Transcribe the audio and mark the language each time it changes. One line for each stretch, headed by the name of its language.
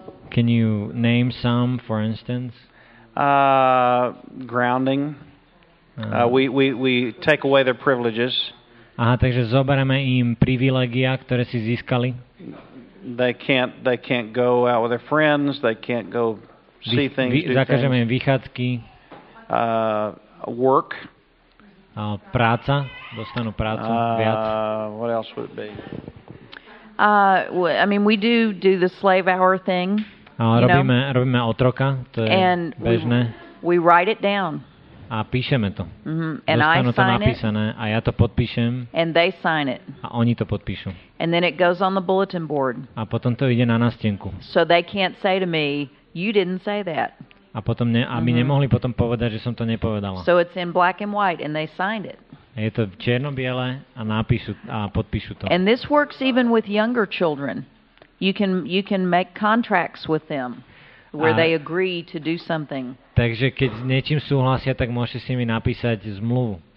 English: Can you name some, for instance? Grounding. We take away their privileges.
Slovak: Aha, takže zoberieme im privilégia, ktoré si získali.
English: They can't go out with their friends, they can't go see things.
Slovak: Zakážeme im vychádzky.
English: Work.
Slovak: Práca. Dostanú prácu viac.
English: What else would it be? I mean, we do the slave hour thing.
Slovak: Robíme otroka. To je
English: and
Slovak: bežné.
English: We write it down.
Slovak: A píšeme to.
English: Mm-hmm. And
Slovak: dostanú to napísané. A ja to podpíšem.
English: And they sign it.
Slovak: A oni to podpíšu.
English: And then it goes on the bulletin board.
Slovak: A potom to ide na nástenku.
English: So they can't say to me, you didn't say that.
Slovak: A potom aby nemohli potom povedať, že som to nepovedala.
English: So it's in black and white and they signed it.
Slovak: Je to černobiele a napíšu a podpíšu to.
English: And this works even with younger children. You can make contracts with them where they agree to do something.
Slovak: Takže keď s niečím súhlasia, tak môžete s nimi napísať zmluvu.